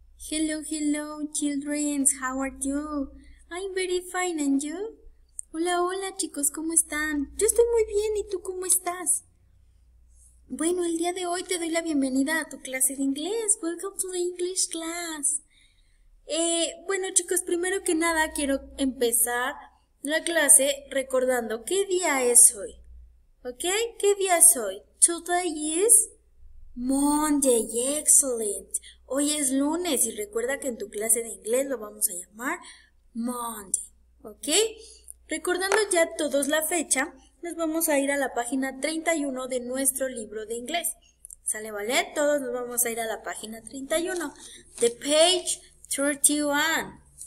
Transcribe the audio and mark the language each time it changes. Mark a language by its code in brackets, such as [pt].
[en] Hello, hello, children, how are you? I'm very fine, and you? [es] Hola, hola, chicos, ¿cómo están? Yo estoy muy bien, ¿y tú cómo estás? Bueno, el día de hoy te doy la bienvenida a tu clase de inglés. [en] Welcome to the English class. [es] Bueno, chicos, primero que nada quiero empezar la clase recordando qué día es hoy. ¿Ok? ¿Qué día es hoy? [en] Today is Monday, excellent. [es] Hoy es lunes y recuerda que en tu clase de inglés lo vamos a llamar Monday, ¿ok? Recordando ya todos la fecha, nos vamos a ir a la página 31 de nuestro libro de inglés. ¿Sale, vale? Todos nos vamos a ir a la página 31, the page 31.